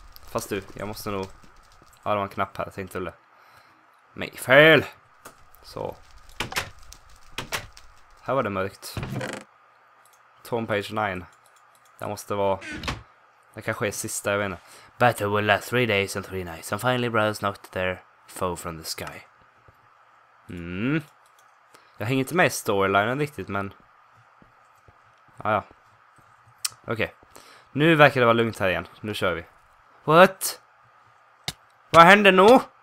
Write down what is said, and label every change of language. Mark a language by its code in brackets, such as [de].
[sv] Fast du, jag måste nog... Ja, det var en knapp här, tänkte du. Nej, fel! Så. Här var det mörkt. [en] Tomb page 9. [sv] Det måste vara... Det kanske är sista, jag vet inte. [en] Battle will last 3 days and 3 nights, and finally brothers knocked their foe from the sky. Mm. [sv] Jag hänger inte med i storylinen riktigt, men... Ah, ja. Okej. Okay. Nu verkar det vara lugnt här igen. Nu kör vi. [en] What? [sv] Vad händer nu?